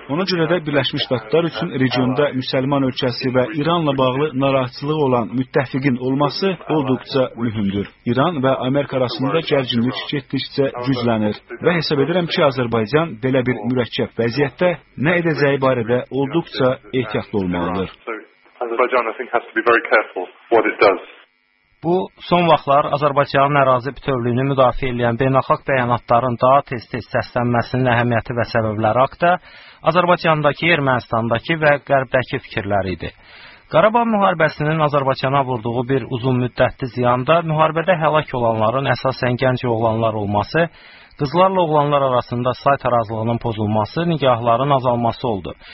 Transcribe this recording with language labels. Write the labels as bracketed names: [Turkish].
[Azerbaijani] Ona görə də Birləşmiş Ştatlar üçün regionda müsəlman ölkəsi və İranla bağlı narahatçılığı olan müttəfiqin olması olduqca mühümdür. İran və Amerika arasında gərginlik getdikcə güclənir və hesab edirəm ki, Azərbaycan belə bir mürəkkəb vəziyyətdə nə edəcəyi barədə olduqca ehtiyatlı olmalıdır. [English] Azərbaycan, I think, has to be very careful what it does. [Azerbaijani] Bu, son vaxtlar Azərbaycanın ərazi bütövlüyünü müdafiə edən beynəlxalq bəyanatların daha tez-tez səslənməsinin əhəmiyyəti və səbəbləri haqda Azərbaycandakı, Ermənistandakı və Qərbdəki fikirləri idi. Qarabağ müharibəsinin Azərbaycana vurduğu bir uzun müddətli ziyanda müharibədə həlak olanların əsasən gənc oğlanlar olması, qızlarla oğlanlar arasında say tarazlığının pozulması, nigahların azalması oldu.